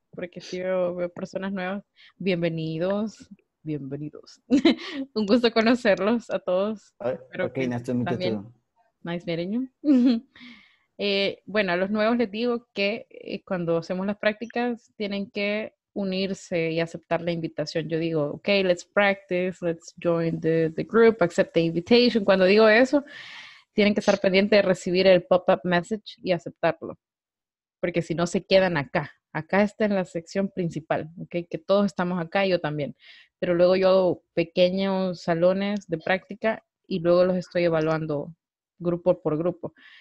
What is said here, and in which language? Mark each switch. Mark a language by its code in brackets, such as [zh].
[es] Porque si veo personas nuevas, bienvenidos. Un gusto conocerlos a todos. [en] Ok, nice to meet you too. Nice meeting you. [es] a los nuevos les digo que cuando hacemos las prácticas tienen que unirse y aceptar la invitación. Yo digo, [en] ok, let's practice, let's join the group, accept the invitation. [es] Cuando digo eso, tienen que estar pendientes de recibir el pop-up message y aceptarlo. Porque si no, se quedan acá. Acá está en la sección principal, ¿okay? Que todos estamos acá, yo también. Pero luego yo hago pequeños salones de práctica y luego los estoy evaluando grupo por grupo.